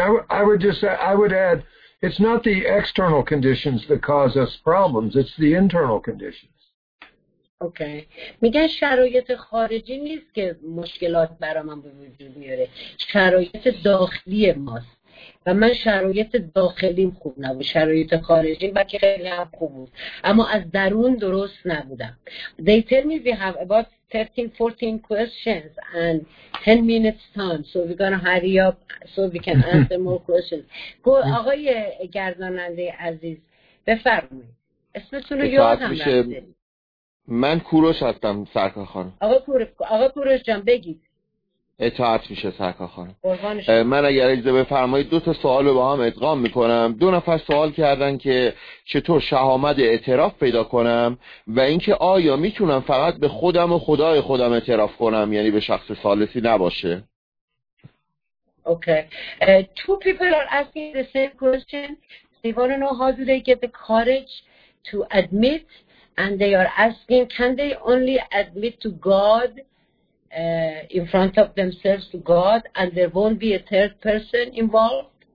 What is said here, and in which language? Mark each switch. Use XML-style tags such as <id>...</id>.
<en>I would add it's not the external conditions that cause us problems, it's the internal conditions. Okay.</en> <fa>میگن شرایط خارجی نیست که مشکلات برام به وجود میاره. شرایط داخلی ماست. و من شرایط داخلیم خوب نبود. شرایط خارجیم بلکه خیلی هم خوب بود. اما از درون درست نبودم.</fa> <en>They tell me we have about 13, 14 questions and 10 minutes time. So we're going to hurry up so we can answer more questions.</en> <fa>آقای گرداننده عزیز بفرمایید. اسمتون رو یادم نده. من کوروش هستم سرکار خانم. آقا کوروش جان بگید. اطاعت میشه سرکار خانم. من اگر اجازه بفرمایید دو تا سوال رو با هم ادغام میکنم. دو نفر سوال کردن که چطور شهامت اعتراف پیدا کنم و اینکه آیا میتونم فقط به خودم و خدای خودم اعتراف کنم یعنی به شخص ثالثی نباشه.</fa> <en>Okay. Two people are asking the same question. They want to know how do they get the courage to admit and they are asking can they only admit to God in front of themselves to God and there won't be a third person involved?</en>